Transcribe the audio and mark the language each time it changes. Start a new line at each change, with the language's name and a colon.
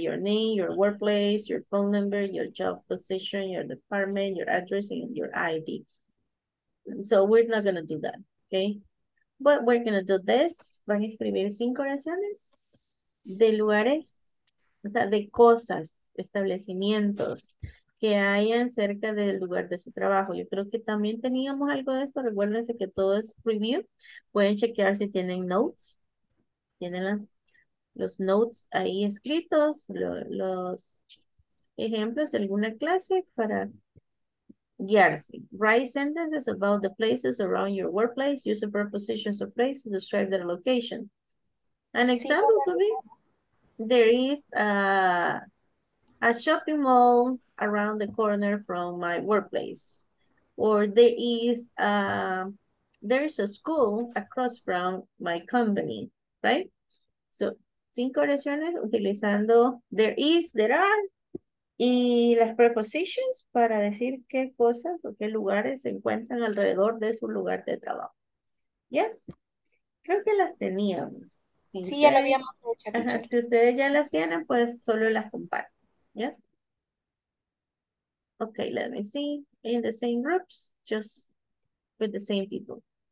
English: Your name, your workplace, your phone number, your job position, your department, your address, and your ID. So we're not going to do that, okay? But we're going to do this.
Spanish: Van a escribir cinco oraciones de lugares, o sea, de cosas, establecimientos que hayan cerca del lugar de su trabajo. Yo creo que también teníamos algo de esto. Recuérdense que todo es review. Pueden chequear si tienen notes. Tienen los notes ahí escritos, los ejemplos de alguna clase para guiarse.
English: Write sentences about the places around your workplace. Use the prepositions of place to describe their location. An example to me, there is a shopping mall around the corner from my workplace. Or there is a school across from my company, right?
Spanish: So, cinco oraciones utilizando
English: there is, there are,
Spanish: y las prepositions para decir qué cosas o qué lugares se encuentran alrededor de su lugar de trabajo.
English: Yes,
Spanish: creo que las teníamos. Sí, ya lo habíamos hecho. Si ustedes ya las tienen, pues solo las comparto.
English: Yes. Okay, let me see. In the same groups, just with the same people.